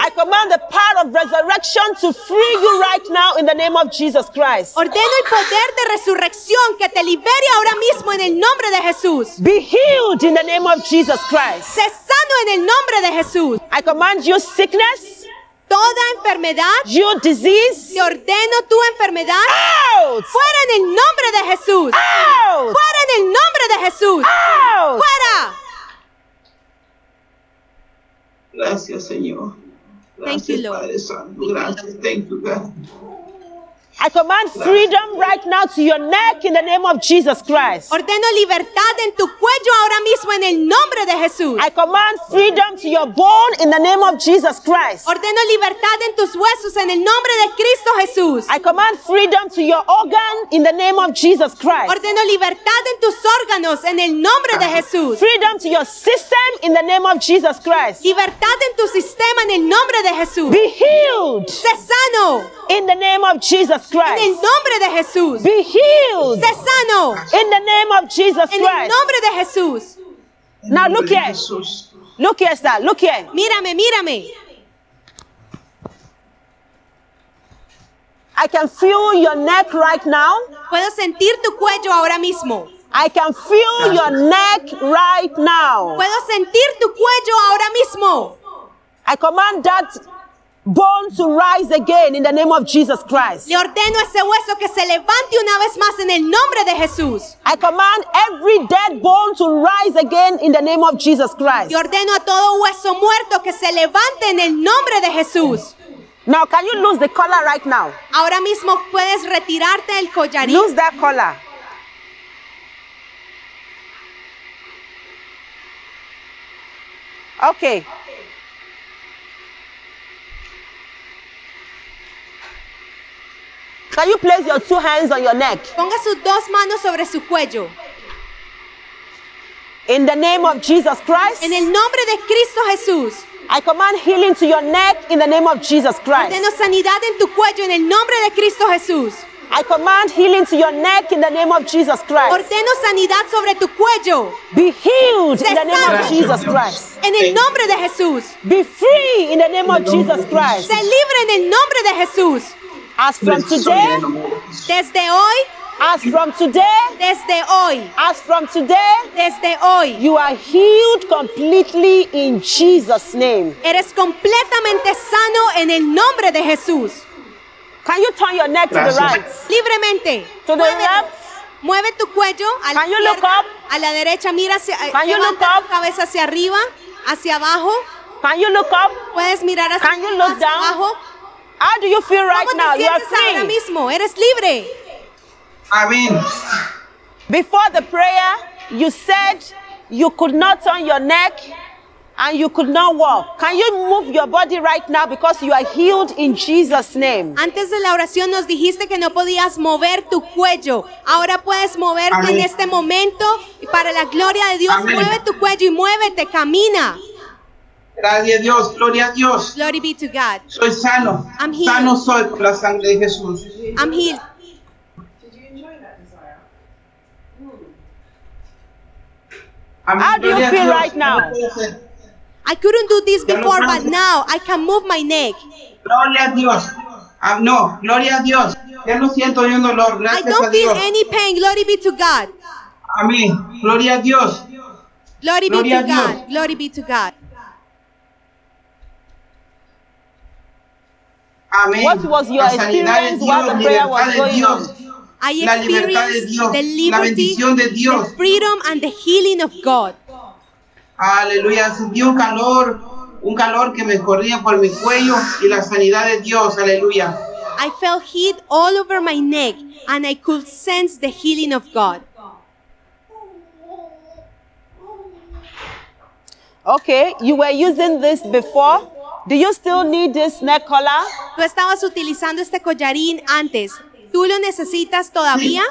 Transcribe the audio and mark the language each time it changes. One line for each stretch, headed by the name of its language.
English: I command the power of resurrection to free you right now in the name of Jesus Christ.
Spanish: Ordeno el poder de resurrección que te libere ahora mismo en el nombre de Jesús.
English: Be healed in the name of Jesus Christ.
Spanish: Sé sano en el nombre de Jesús.
English: I command you sickness.
Spanish: Toda enfermedad.
English: Your disease.
Spanish: Te ordeno tu enfermedad.
English: Out.
Spanish: Fuera en el nombre de Jesús.
English: Out.
Spanish: Fuera en el nombre de Jesús.
English: Out.
Spanish: Fuera. Gracias, Señor. Gracias,
English: thank you, Lord.
Spanish: Padre Santo. Gracias.
English: Thank you, God. I command freedom right now to your neck in the name of Jesus Christ.
Spanish: Ordeno libertad en tu cuello ahora mismo en el nombre de Jesús.
English: I command freedom to your bone in the name of Jesus Christ.
Spanish: Ordeno libertad en tus huesos en el nombre de Cristo Jesús.
English: I command freedom to your organ in the name of Jesus Christ.
Spanish: Ordeno libertad en tus órganos en el nombre de Jesús.
English: Freedom to your system in the name of Jesus Christ.
Spanish: Libertad en tu sistema en el nombre de Jesús.
English: Be healed.
Spanish: Sé sano.
English: In the name of Jesus Christ.
Spanish: En el nombre de Jesús.
English: Be healed.
Spanish: Sé sano.
English: In the name of Jesus Christ.
Spanish: En el nombre de Jesús.
English: Now look here. Look here, sir. Look here.
Spanish: Mírame, mírame.
English: I can feel your neck right now.
Spanish: Puedo sentir tu cuello ahora mismo.
English: I can feel your neck right now.
Spanish: Puedo sentir tu cuello ahora mismo.
English: I command that bone to rise again in the name of Jesus Christ.
Spanish: Le ordeno ese hueso que se levante una vez más en el nombre de Jesús.
English: I command every dead bone to rise again in the name of Jesus Christ.
Spanish: Le ordeno a todo hueso muerto que se levante en el nombre de Jesús.
English: Now, can you lose the collar right now?
Spanish: Ahora mismo puedes retirarte el collarín.
English: Lose that collar. Okay. Can you place your two hands on your neck?
Spanish: Ponga sus dos manos sobre su cuello.
English: In the name of Jesus Christ.
Spanish: En el nombre de Cristo Jesús.
English: I command healing to your neck in the name of Jesus Christ.
Spanish: Ordeno sanidad en tu cuello en el nombre de Cristo Jesús.
English: I command healing to your neck in the name of Jesus Christ.
Spanish: Ordeno sanidad sobre tu cuello.
English: Be healed in the name of Jesus Christ.
Spanish: En el nombre de Jesús.
English: Be free in the name of Jesus Christ.
Spanish: Se libre en el nombre de Jesús.
English: As from today,
Spanish: desde hoy.
English: As from today,
Spanish: desde hoy.
English: As from today,
Spanish: desde hoy.
English: You are healed completely in Jesus' name.
Spanish: Eres completamente sano en el nombre de Jesús.
English: Can you turn your neck to the right?
Spanish: Libremente.
English: To the left.
Spanish: Mueve tu cuello.
English: Can you look up?
Spanish: A la derecha, mira hacia.
English: Can you look up?
Spanish: Cabeza hacia arriba, hacia abajo.
English: Can you look up?
Spanish: Puedes mirar hacia.
English: Can you look down?
Spanish: Abajo.
English: How do you feel right now? You are free.
Spanish: Ahora mismo, eres libre.
English: Amen. Before the prayer, you said you could not turn your neck and you could not walk. Can you move your body right now because you are healed in Jesus' name?
Spanish: Antes de la oración nos dijiste que no podías mover tu cuello. Ahora puedes moverte. Amen. En este momento. Y para la gloria de Dios, amen. Mueve tu cuello y muévete, camina. Gracias Dios, gloria a Dios.
English: Glory be to God.
Spanish: Soy sano.
English: I'm healed.
Spanish: Sano soy por la sangre de Jesús.
English: I'm healed. How do you feel right now? I couldn't do this before, but now I can move my neck.
Spanish: Gloria a Dios. No, gloria a Dios. Ya no siento ningún dolor. Gracias a Dios.
English: I don't feel any pain. Glory be to God.
Spanish: Amén. Gloria a Dios.
English: Glory be to God. Glory be to God.
Spanish: Amén.
English: What was your experience while the prayer was going on? I experienced the liberty, the freedom, and the healing of God.
Spanish: Aleluya, sentí un calor que me corría por mi cuello y la sanidad de Dios. Aleluya.
English: I felt heat all over my neck, and I could sense the healing of God. Okay, you were using this before. Do you still need this neck collar?
Spanish: Tú estabas utilizando este collarín antes. ¿Tú lo necesitas todavía?